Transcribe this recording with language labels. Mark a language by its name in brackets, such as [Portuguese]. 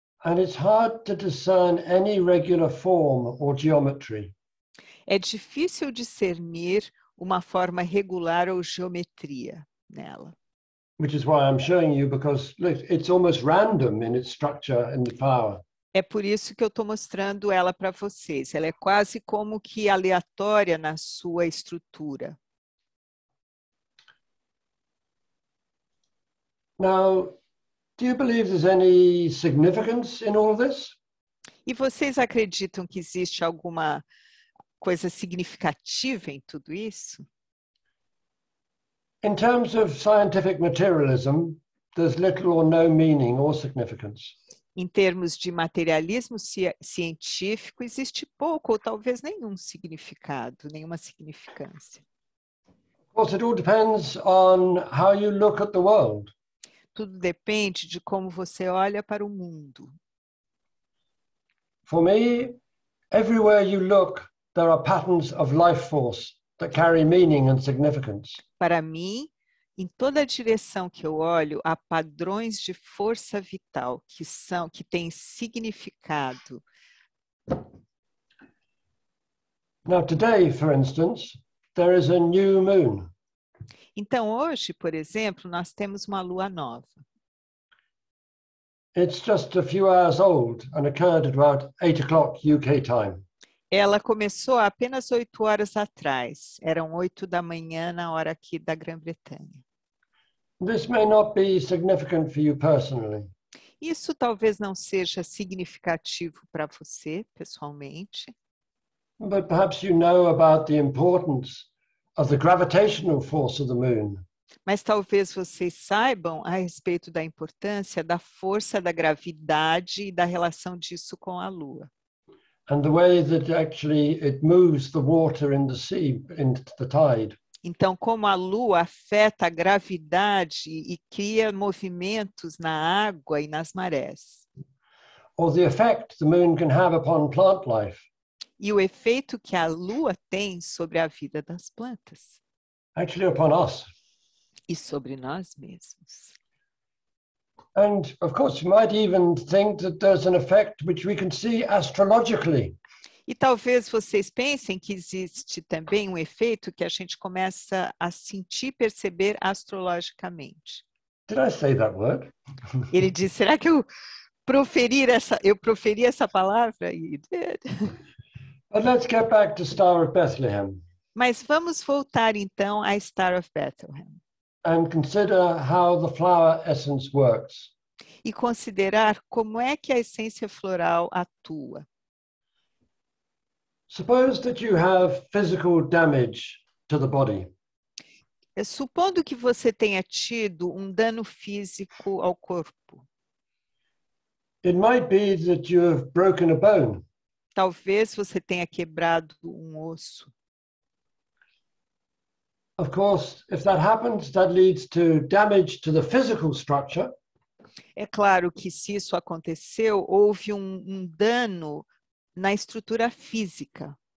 [English] And it's hard to discern any regular form or geometry. [Portuguese] É difícil discernir uma forma regular ou geometria nela. [English] Which is why I'm showing you, because look, it's almost random in its structure and the power. [Portuguese] É por isso que eu estou mostrando ela para vocês. Ela é quase como que aleatória na sua estrutura. [English] Now, do you believe there's any significance in all this? [Portuguese] E vocês acreditam que existe alguma coisa significativa em tudo isso? [English] In terms of scientific materialism, there's little or no meaning or significance. [Portuguese] Em termos de materialismo científico, existe pouco ou talvez nenhum significado, nenhuma significância. [English] Of course, it all depends on how you look at the world. [Portuguese] Tudo depende de como você olha para o mundo. [English] For me, everywhere you look, there are patterns of life force that carry meaning and significance. [Portuguese] Para mim, em toda a direção que eu olho, há padrões de força vital que têm significado. [English] Now today, for instance, there is a new moon. [Portuguese] Então hoje, por exemplo, nós temos uma lua nova. [English] It's just a few hours old and occurred at about 8 o'clock UK time. [Portuguese] Ela começou há apenas 8 horas atrás. Eram 8 da manhã na hora aqui da Grã-Bretanha. [English] This may not be significant for you personally. [Portuguese] Isso talvez não seja significativo para você pessoalmente. [English] But perhaps you know about the importance of the gravitational force of the moon. [Portuguese] Mas talvez vocês saibam a respeito da importância da força da gravidade e da relação disso com a Lua. [English] And the way that actually it moves the water in the sea into the tide. [Portuguese] Então, como a lua afeta a gravidade e cria movimentos na água e nas marés. [English] Or the effect the moon can have upon plant life. [Portuguese] E o efeito que a lua tem sobre a vida das plantas. [English] Actually upon us. [Portuguese] E sobre nós mesmos. [English] And of course, you might even think that there's an effect which we can see astrologically. [Portuguese] E talvez vocês pensem que existe também um efeito que a gente começa a sentir, perceber astrologicamente. [English] Did I say that word? [Portuguese] Ele disse, será que eu proferi essa palavra? [English] He did. But let's get back to Star of Bethlehem. [Portuguese] Mas vamos voltar então à Star of Bethlehem. [English] And consider how the flower essence works. [Portuguese] E considerar como é que a essência floral atua. [English] Suppose that you have physical damage to the body. [Portuguese] Supondo que você tenha tido um dano físico ao corpo. [English] It might be that you have broken a bone. [Portuguese] Talvez você tenha quebrado um osso. [English] Of course, if that happens, that leads to damage to the physical structure. [Portuguese] É claro que se isso aconteceu, houve um dano na estrutura física.